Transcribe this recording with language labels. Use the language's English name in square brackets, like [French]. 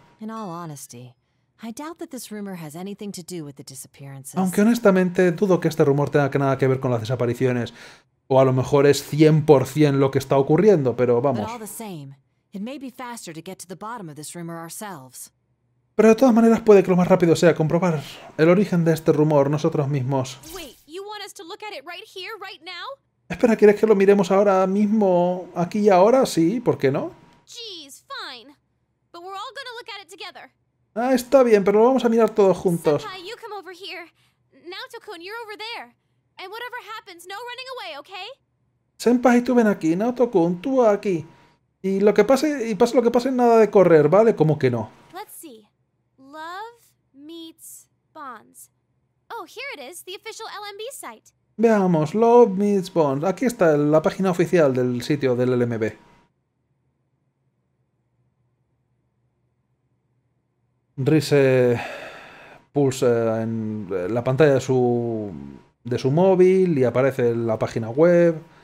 [English] In all honesty, I doubt that this rumor has anything to do with the disappearances. [Spanish] Aunque honestamente, dudo que este rumor tenga nada que ver con las desapariciones. O a lo mejor es 100% lo que está ocurriendo, pero vamos. [English] But all the same, it may be faster to get to the bottom of this rumor ourselves. [Spanish] Pero de todas maneras puede que lo más rápido sea comprobar el origen de este rumor nosotros mismos. [English] Wait, you want us to look at it right here, right now? [Spanish] Espera, ¿quieres que lo miremos ahora mismo, aquí y ahora? Sí, ¿por qué no? [English] Jeez, fine. But we're all gonna look at it together. [Spanish] Ah, está bien, pero lo vamos a mirar todos juntos. [English] Senpai, you come over here. Naoto-kun, you're over there. And whatever happens, no running away, okay? [Spanish] Senpai, tú ven aquí. Naoto-kun, tú aquí. Y lo que pase, y pase lo que pase, nada de correr, ¿vale? ¿Cómo que no? [English] Let's see. Love meets bonds. Oh, here it is, the official LMB site. [Spanish] Veamos, Love meets bonds. Aquí está la página oficial del sitio del LMB. Rise pulsa en la pantalla de su móvil y aparece la página web.